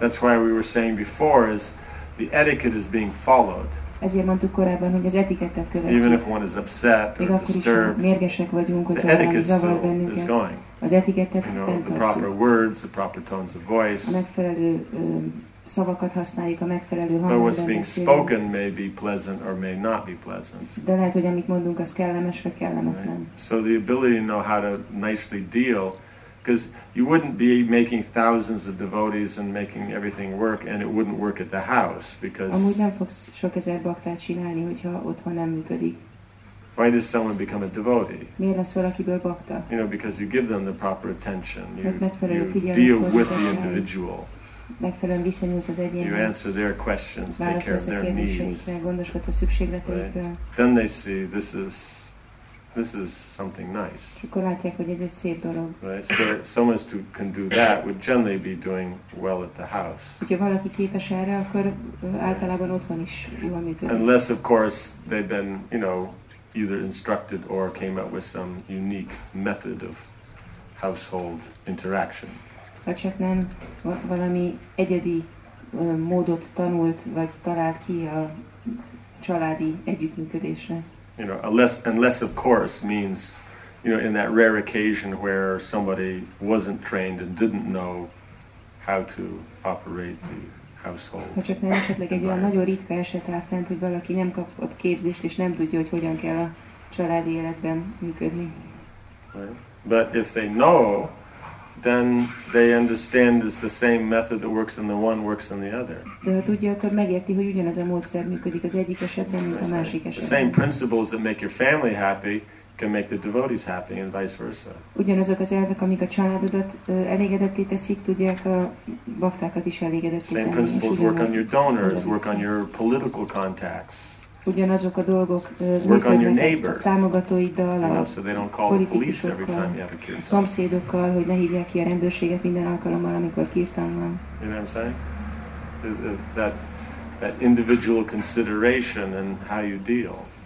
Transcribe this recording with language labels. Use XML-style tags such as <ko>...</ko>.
<en>That's why we were saying before is the etiquette is being followed.</en> <hu>Ezért mondtuk korábban, hogy az etikettet követjük.</hu> <en>Even if one is upset or disturbed,</en> <hu>akkor is mérgesek vagyunk, hogy</hu> <en>the etiquette still is going.</en> <hu>Az etikettet fenntartjuk.</hu> <en>You know, the proper words, the proper tones of voice.</en> <hu>A megfelelő szavakat használjuk, a megfelelő hangot.</hu> <en>But what's being spoken may be pleasant or may not be pleasant.</en> <hu>De lehet, hogy amit mondunk, az kellemes vagy kellemetlen.</hu> <en>Right. So the ability to know how to nicely deal, because you wouldn't be making thousands of devotees and making everything work, and it wouldn't work at the house, because</en> <hu>amúgy nem fogsz sok ezer baktát csinálni, hogyha otthon nem működik.</hu> <en>Why does someone become a devotee?</en> <hu>Miért lesz valakiből bakta?</hu> <en>You know, because you give them the proper attention. You deal with the individual.</en> <hu>Megfelelően viszonyulsz az egyénhez.</hu> <en>You answer their questions, take care of their needs.</en> <hu>Gondoskodsz a szükségleteikről.</hu> <en>Then they see this is something nice.</en> <hu>Akkor látják, hogy ez egy szép dolog.</hu> <en>Right? So someone who can do that would generally be doing well at the house.</en> <hu>Hogyha valaki képes erre, akkor általában otthon is jól működik.</hu> <en>Unless, of course, they've been, you know, either instructed or came up with some unique method of household interaction.</en> <hu>Ha csak nem valami egyedi módot tanult, vagy talált ki a családi együttműködésre.</hu> <en>You know, unless of course means, you know, in that rare occasion where somebody wasn't trained and didn't know how to operate the household.</en> <hu>Ha csak nem esetleg egy olyan nagyon ritka eset áll fent, hogy valaki nem kapott képzést, és nem tudja, hogy hogyan kell a családi életben működni.</hu> <en>Right. But if they know, then they understand it's the same method that works in the one works in the other.</en> <hu>De ha tudja, akkor megérti, hogy ugyanaz a módszer működik az egyik esetben, mint a másik esetben.</hu> <en>The same principles that make your family happy can make the devotees happy and vice versa.</en> <hu>Ugyanazok az elvek, amik a családodat elégedetté teszik, tudják a baktákat is elégedetté tenni.</hu> <en>Same principles work on your donors, work on your political contacts.</en> <hu>Ugyanazok a dolgok működnek a támogatóiddal, a politikusokkal, a szomszédokkal, hogy ne hívják ki a rendőrséget minden alkalommal, amikor kirtan van.</hu> <en>You know what I'm saying? That individual consideration and how you deal.</en>